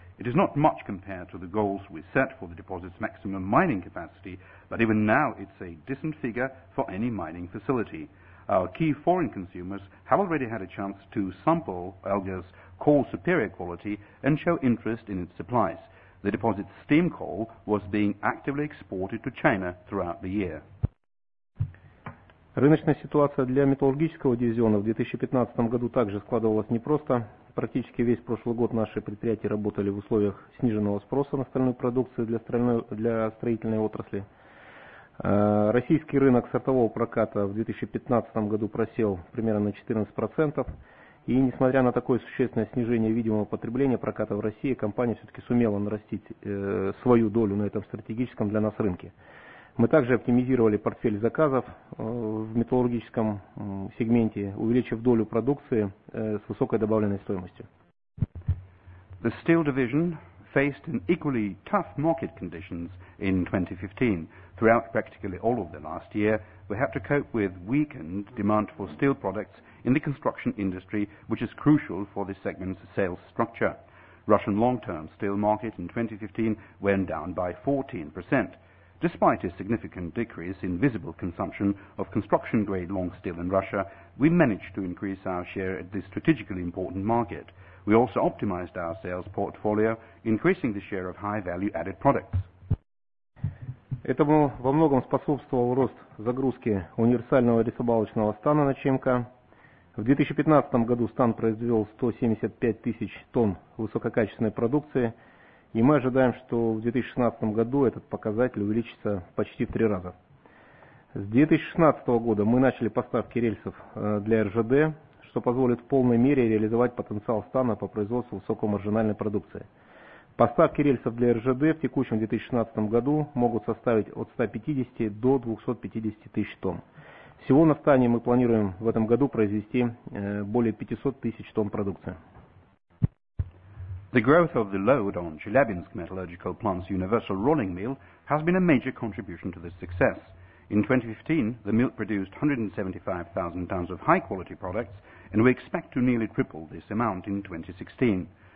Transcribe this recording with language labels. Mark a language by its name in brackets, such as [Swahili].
[English] It is not much compared to the goals we set for the deposit's maximum mining capacity, but even now it's a decent figure for any mining facility. Our key foreign consumers have already had a chance to sample Alger's coal superior quality and show interest in its supplies. The deposit's steam coal was being actively exported to China throughout the year. [Russian] Рыночная ситуация для металлургического дивизиона в 2015 году также складывалась непросто. Практически весь прошлый год наши предприятия работали в условиях сниженного спроса на стальную продукцию для строительной отрасли. Российский рынок сортового проката в 2015 году просел примерно на 14%. И несмотря на такое существенное снижение видимого потребления проката в России, компания все-таки сумела нарастить свою долю на этом стратегическом для нас рынке. Мы также оптимизировали портфель заказов в металлургическом сегменте, увеличив долю продукции с высокой добавленной стоимостью. [English] The steel division faced an equally tough market conditions in 2015. Throughout practically all of the last year, we had to cope with weakened demand for steel products in the construction industry, which is crucial for this segment's sales structure. Russian long-term steel market in 2015 went down by 14%. Despite a significant decrease in visible consumption of construction-grade long steel in Russia, we managed to increase our share at this strategically important market. We also optimized our sales portfolio, increasing the share of high-value added products. [Russian] Этому во многом способствовал рост загрузки универсального рисобалочного стана на ЧМК. В 2015 году стан произвел 175 тысяч тонн высококачественной продукции, и мы ожидаем, что в 2016 году этот показатель увеличится почти в три раза. С 2016 года мы начали поставки рельсов для РЖД, что позволит в полной мере реализовать потенциал стана по производству высокомаржинальной продукции. Поставки рельсов для РЖД в текущем 2016 году могут составить от 150 до 250 тысяч тонн. Всего на стане мы планируем в этом году произвести более 500 тысяч тонн продукции. [English] The growth of the load on Chelyabinsk Metallurgical Plant's universal rolling mill has been a major contribution to this success. In 2015, the mill produced 175,000 tons of high-quality products, and we expect to nearly triple this amount in 2016.